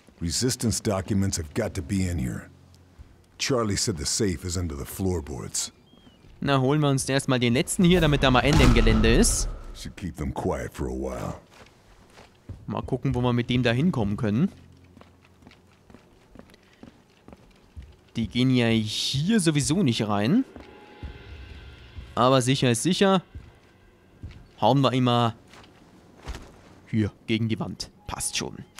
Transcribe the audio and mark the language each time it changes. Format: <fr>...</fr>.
<en>Resistance documents have got to be in here. Charlie said the safe is under the floorboards.</en> <de>Na, holen wir uns erstmal den letzten hier, damit da mal Ende im Gelände ist.</de> <en>Should keep them quiet for a while.</en> <de>Mal gucken, wo wir mit dem da hinkommen können. Die gehen ja hier sowieso nicht rein. Aber sicher ist sicher. Hauen wir immer hier gegen die Wand. Passt schon.</de>